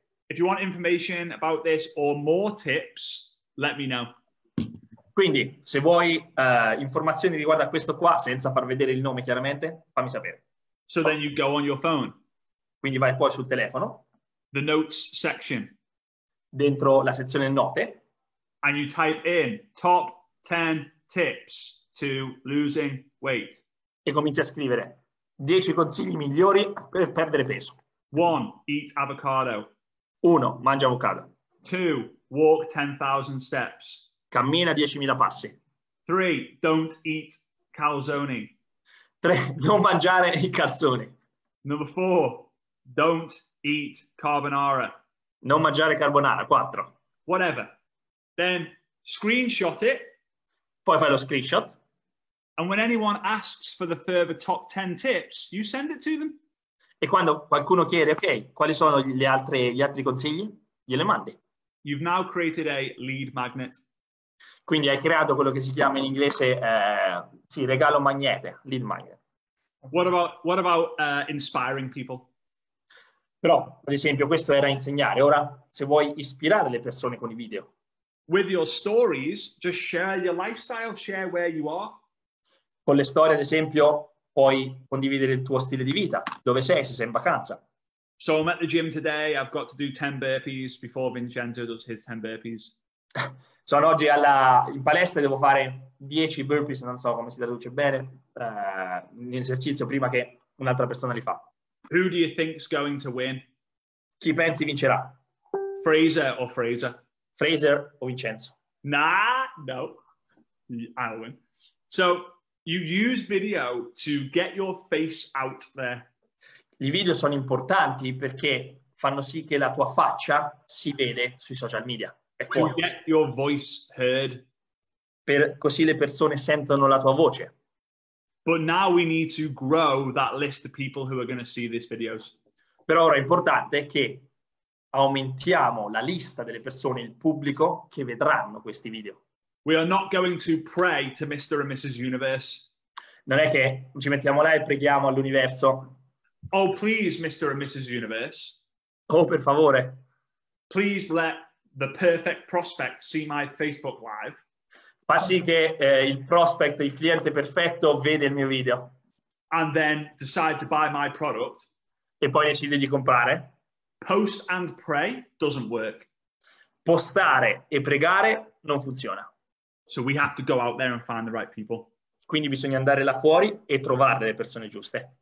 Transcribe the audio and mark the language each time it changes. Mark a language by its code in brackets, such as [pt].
[en] If you want information about this or more tips, let me know. [it] Quindi, se vuoi informazioni riguardo a questo qua, senza far vedere il nome chiaramente, fammi sapere. [en] So then you go on your phone. [it] Quindi vai poi sul telefono. [en] The notes section. [it] Dentro la sezione note. [en] And you type in top 10 tips to losing weight. [it] E cominci a scrivere 10 consigli migliori per perdere peso. [en] 1. Eat avocado. [it] 1. Mangia avocado. [en] 2. Walk 10,000 steps. [it] Cammina 10,000 passi. [en] 3. Don't eat calzoni. [it] 3. Non mangiare i calzoni. [en] Number 4. Don't eat carbonara. [it] Non mangiare carbonara. 4. [en] Whatever. Then screenshot it. [it] Poi fai lo screenshot. [en] And when anyone asks for the further top 10 tips, you send it to them. [it] E quando qualcuno chiede, ok, quali sono gli altri consigli, gliele mandi. [en] You've now created a lead magnet. [it] Quindi hai creato quello che si chiama in inglese, regalo magnete, lead magnet. [en] What about inspiring people? [it] Però, ad esempio, questo era insegnare. Ora, se vuoi ispirare le persone con i video. [en] With your stories, just share your lifestyle, share where you are. [it] Con le storie, ad esempio, puoi condividere il tuo stile di vita, dove sei, se sei in vacanza. [en] So I'm at the gym today, I've got to do 10 burpees before Vincenzo does his 10 burpees. [it] Sono oggi in palestra e devo fare 10 burpees, non so come si traduce bene, in esercizio prima che un'altra persona li fa. [en] Who do you think is going to win? [it] Chi pensi vincerà? [en] Fraser? [it] Fraser o Vincenzo? [en] Nah, no. I'll win. So, you use video to get your face out there. [it] I video sono importanti perché fanno sì che la tua faccia si vede sui social media. [en] To get your voice heard. [it] Per così le persone sentono la tua voce. [en] But now we need to grow that list of people who are going to see these videos. [it] Però ora è importante che aumentiamo la lista delle persone, il pubblico, che vedranno questi video. [en] We are not going to pray to Mr. and Mrs. Universe. [it] Non è che ci mettiamo là e preghiamo all'universo. [en] Oh, please, Mr. and Mrs. Universe. [it] Oh, per favore. [en] Please let the perfect prospect see my Facebook live. [it] Fa sì che il prospect, il cliente perfetto, vede il mio video. [en] And then decide to buy my product. [it] E poi decide di comprare. [en] Post and pray doesn't work. [it] Postare e pregare non funziona. [en] So we have to go out there and find the right people. [it] Quindi bisogna andare là fuori e trovare le persone giuste.